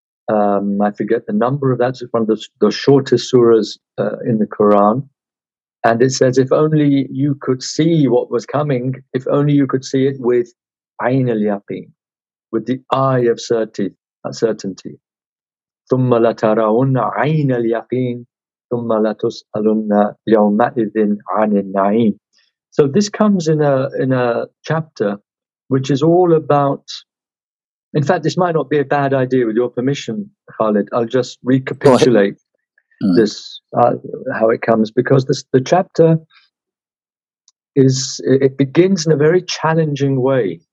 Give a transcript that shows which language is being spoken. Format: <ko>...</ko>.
<en>I forget the number of that. It's one of the shortest surahs in the Quran. And it says, if only you could see what was coming, if only you could see it with Ayn al-yaqeen, with the eye of certainty.</en> <ar>ثم لترون عين اليقين ثم لتسألن يومئذ عن النعيم.</ar> <en>So this comes in a chapter which is all about, in fact, this might not be a bad idea with your permission, Khalid. I'll just recapitulate this, how it comes, because the chapter is, it begins in a very challenging way.</en>